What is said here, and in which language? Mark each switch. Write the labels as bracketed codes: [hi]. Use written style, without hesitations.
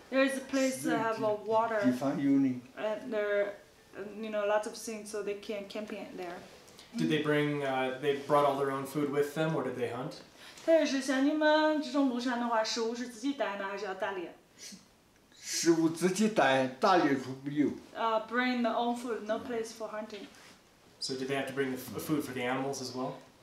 [en] There is a place that have a water. [zh] 地方有呢。 [en] And there, you know, lots of things, so they can camping there. Did they bring? They brought all their own food with them, or did they hunt? [zh] 但是像你们这种路上的话，食物是自己带呢，还是要打猎？食物自己带，打猎处没有。 [en] Bring their own food, no place for hunting. So did they have to bring the food for the animals as well?